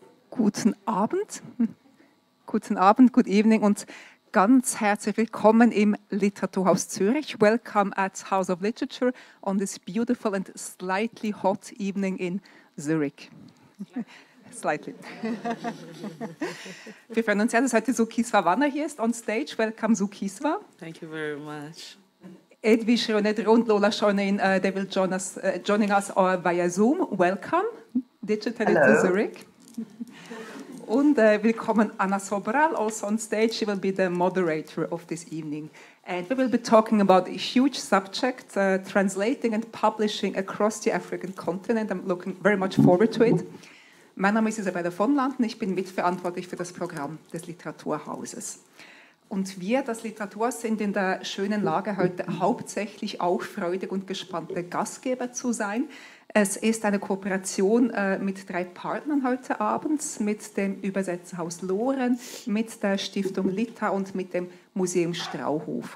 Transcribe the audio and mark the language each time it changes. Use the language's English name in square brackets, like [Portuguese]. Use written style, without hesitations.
[German] Guten Abend, [English] good evening [German] und ganz herzlich willkommen im Literaturhaus Zürich. [English] Welcome at House of Literature on this beautiful and slightly hot evening in Zürich. Slightly. [German] Wir freuen uns sehr, dass heute Zukiswa Wanner hier ist [English] on stage. Welcome, Zukiswa. Thank you very much. Edwige-Renée Dro und Lola Shoneyin, they will join us via Zoom. Welcome, digitally to Zürich. [German] Und willkommen [English] Anna Sobral, also on stage. She will be the moderator of this evening. And we will be talking about a huge subject, translating and publishing across the African continent. I'm looking very much forward to it. [German] Mein Name ist Isabella von Landen. Ich bin mitverantwortlich für das Programm des Literaturhauses. Und wir, das Literaturhaus, sind in der schönen Lage, heute hauptsächlich auch freudig und gespannte Gastgeber zu sein. Es ist eine Kooperation mit drei Partnern heute Abend, mit dem Übersetzhaus Loren, mit der Stiftung Lita und mit dem Museum Strauhof.